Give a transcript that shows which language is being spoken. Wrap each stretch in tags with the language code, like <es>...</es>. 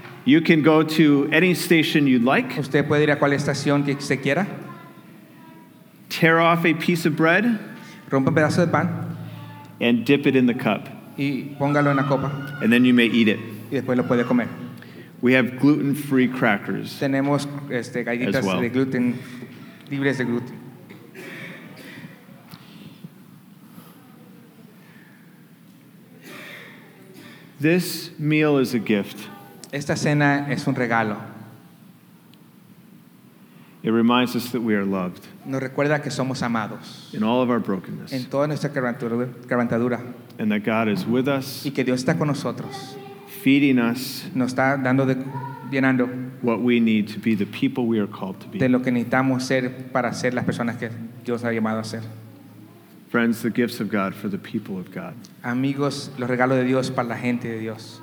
<en>You can go to any station you'd like.</en> <es>Usted puede ir a cual estación que se quiera.</es> <en>Tear off a piece of bread.</en> <es>Rompa un pedazo de pan.</es> <en>And dip it in the cup.</en> <es>Y póngalo en la copa.</es> <en>And then you may eat it.</en> <es>Y después lo puede comer.</es> <en>We have gluten-free crackers.</en> <es>Tenemos galletas well. De gluten libres de gluten.</es> <en>This meal is a gift.</en> <es>Esta cena es un regalo.</es> <en>It reminds us that we are loved.</en> <es>Nos recuerda que somos amados.</es> <en>In all of our brokenness.</en> <es>En toda nuestra quebrantadura.</es> <en>And that God is with us.</en> <es>Y que Dios está con nosotros.</es> <en>Feeding us.</en> <es>Nos está dando de llenando.</es> <en>What we need to be the people we are called to be.</en> <es>De lo que necesitamos ser para ser las personas que Dios ha llamado a ser.</es> <en>Friends, the gifts of God for the people of God.</en> <es>Amigos, los regalos de Dios para la gente de Dios.</es>